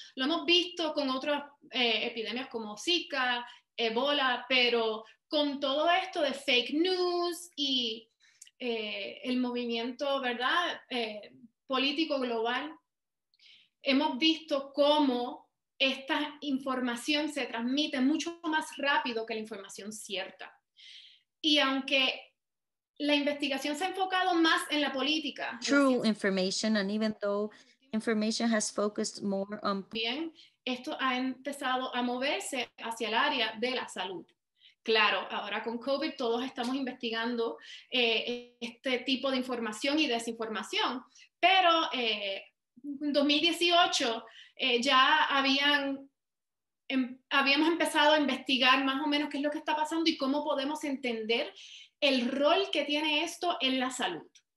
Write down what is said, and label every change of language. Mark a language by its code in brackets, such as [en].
[es] Lo hemos visto con otras epidemias como Zika, Ebola, pero con todo esto de fake news y el movimiento, ¿verdad? Político global, hemos visto cómo esta información se transmite mucho más rápido que la información cierta. Y aunque la investigación se ha enfocado más en la política, [en] true information, and even though information has focused more on, [es] bien, esto ha empezado a moverse hacia el área de la salud. Claro, ahora con COVID todos estamos investigando este tipo de información y desinformación, pero en 2018 ya habíamos empezado a investigar más o menos qué es lo que está pasando y cómo podemos entender el rol que tiene esto en la salud.